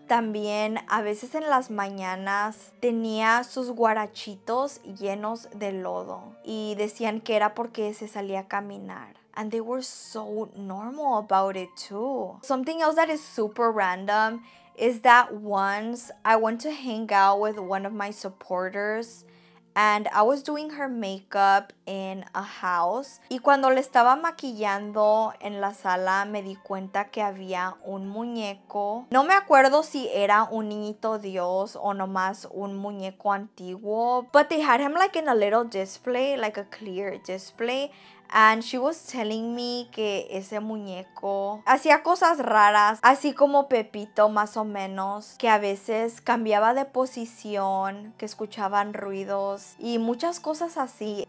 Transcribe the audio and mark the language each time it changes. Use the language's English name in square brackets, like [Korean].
[Spanish] También a veces en las mañanas tenía sus guarachitos llenos de lodo. Y decían que era porque se salía a caminar. [English] And they were so normal about it too. Something else that is super random is that once I went to hang out with one of my supporters and I was doing her makeup in a house. [Spanish] Y cuando le estaba maquillando en la sala, me di cuenta que había un muñeco. No me acuerdo si era un niñito Dios o nomás un muñeco antiguo. [English] But they had him like in a little display, like a clear display. And she was telling me [Spanish] que ese muñeco hacía cosas raras, así como Pepito más o menos, que a veces cambiaba de posición, que escuchaban ruidos y muchas cosas así.